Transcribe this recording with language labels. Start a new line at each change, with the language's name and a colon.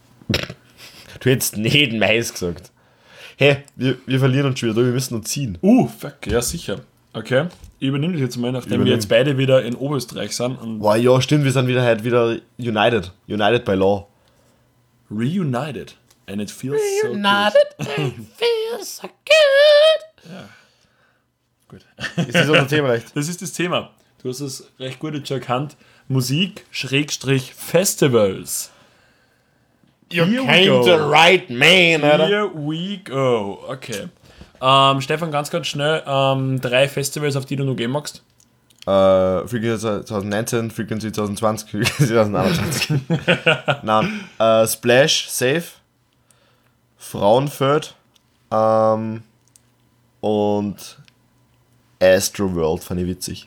German: Du hättest nicht Mais gesagt. Hä, wir verlieren uns schon wieder, wir müssen noch ziehen. Fuck, ja, sicher. Okay. Ich übernehme das jetzt mal, nachdem wir jetzt beide wieder in Oberösterreich sind. Und wow, ja, stimmt, wir sind wieder heute wieder united.
English: United by law. Reunited. And it feels reunited so good. Reunited, it feels so good.
German: Ja. Gut. Ist das unser Thema recht? Das ist das Thema. Du hast es recht gut jetzt schon erkannt. Musik / Festivals.
English: You came to the right man,
German: Alter.
English: Here we go. Okay.
German: Stefan, ganz schnell, 3 Festivals, auf die du noch gehen magst? Frequency 2019, Frequency 2020, Frequency 2021. Nein, Splash, Safe, Frauenfeld, und Astroworld, fand ich witzig.